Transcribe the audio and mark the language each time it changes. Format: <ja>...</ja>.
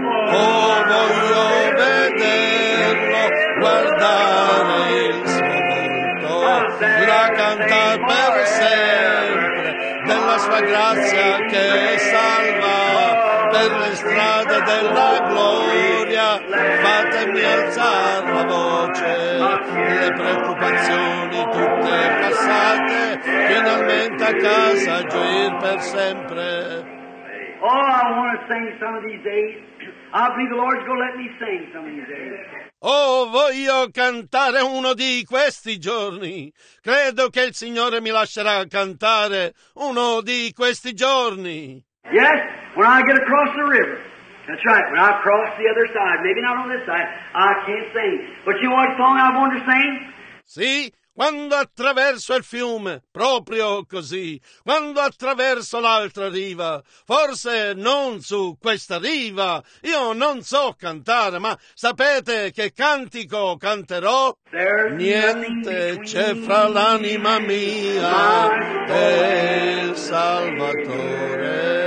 <it>Oh, voglio vederlo, guardare il suo volto, la cantar per sempre della sua grazia che salva. Per le strade della gloria, fatemi alzare la voce. Le preoccupazioni tutte passate, finalmente a casa gioir per sempre.</it> <en>Oh, I want to sing some of these days. I believe the Lord's going to let me sing some of these days.</en> <it>Oh, voglio cantare uno di questi giorni. Credo che il Signore mi lascerà cantare uno di questi giorni.</it> <en>Yes, when I get across the river. That's right, when I cross the other side, maybe not on this side, I can't sing. But you know what song I want to sing?</en> <it>Sì, quando attraverso il fiume, proprio così, quando attraverso l'altra riva, forse non su questa riva, io non so cantare, ma sapete che cantico canterò?</it> <en>There's</en> <it>niente c'è fra l'anima mia e il Salvatore.</it>